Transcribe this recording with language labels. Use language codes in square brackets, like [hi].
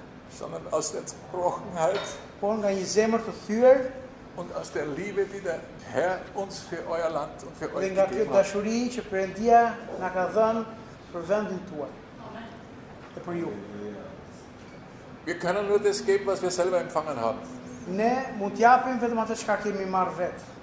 [de] Sondern aus der Zerbrochenheit und aus der Liebe, die der Herr uns für euer Land und für euch gegeben hat. [sq] Që Perëndia na ka dhënë për vendin tuaj. E për ju. [de] Wir können nur das geben, was wir selber empfangen haben. [sq] Ne mund t'japim vetëm atë çka kemi marr vet.